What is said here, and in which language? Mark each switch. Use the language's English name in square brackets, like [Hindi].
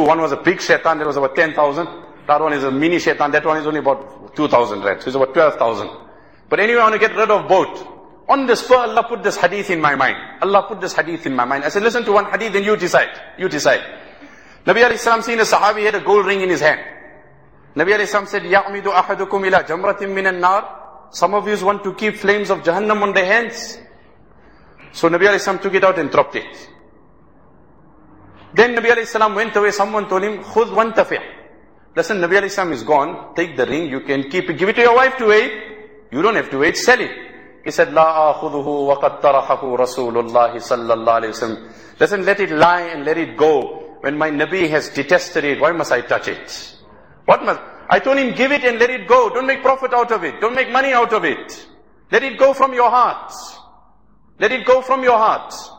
[English] One was a big shaitan, that was about 10,000. That one is a mini shaitan, that one is only about 2,000, right? So it's about 12,000. But anyway, I want to get rid of both. On this spur, Allah put this hadith in my mind. I said, listen to one hadith and you decide. Nabi alayhi salam seen a sahabi had a gold ring in his hand. Nabi alayhi salam said, [Arabic] يَعْمِدُ أَحَدُكُمْ إِلَىٰ جَمْرَةٍ مِّنَ النَّارِ. [English] Some of you want to keep flames of Jahannam on their hands. So Nabi alayhi salam took it out and dropped it. Then Nabi alayhi salam went away, someone told him, [Arabic] خُذْ وَانْتَفِعْ. [English] Listen, Nabi alayhi salam is gone, take the ring, you can keep it, give it to your wife to wait. You don't have to wait, sell it. He said, [Arabic] لا أخذه وقد طرحه رسول الله صلى الله عليه وسلم. [English] Listen, let it lie and let it go. When my Nabi has detested it, why must I touch it? What must? I told him, give it and let it go. Don't make profit out of it. Don't make money out of it. Let it go from your heart. Let it go from your heart.